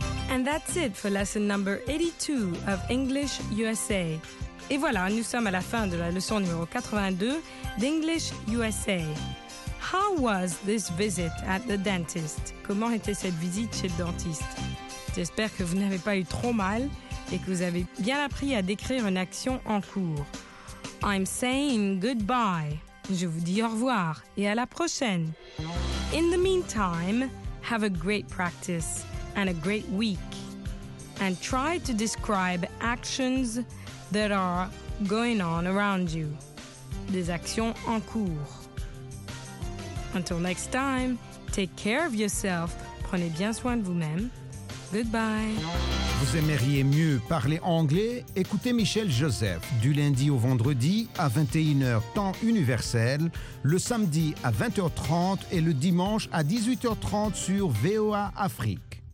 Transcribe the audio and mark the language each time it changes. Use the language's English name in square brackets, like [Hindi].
[English] And that's it for lesson number 82 of English USA. [French] Et voilà, nous sommes à la fin de la leçon numéro 82 d'English USA. [English] How was this visit at the dentist? [French] Comment était cette visite chez le dentiste? J'espère que vous n'avez pas eu trop mal et que vous avez bien appris à décrire une action en cours. [English] I'm saying goodbye. [French] Je vous dis au revoir et à la prochaine. [English] In the meantime, have a great practice and a great week. And try to describe actions that are going on around you. [French] Des actions en cours. [English] Until next time, take care of yourself. [French] Prenez bien soin de vous-même. [English] Goodbye. [French] Vous aimeriez mieux parler anglais? Écoutez Michel Joseph du lundi au vendredi à 21h temps universel, le samedi à 20h30 et le dimanche à 18h30 sur VOA Afrique.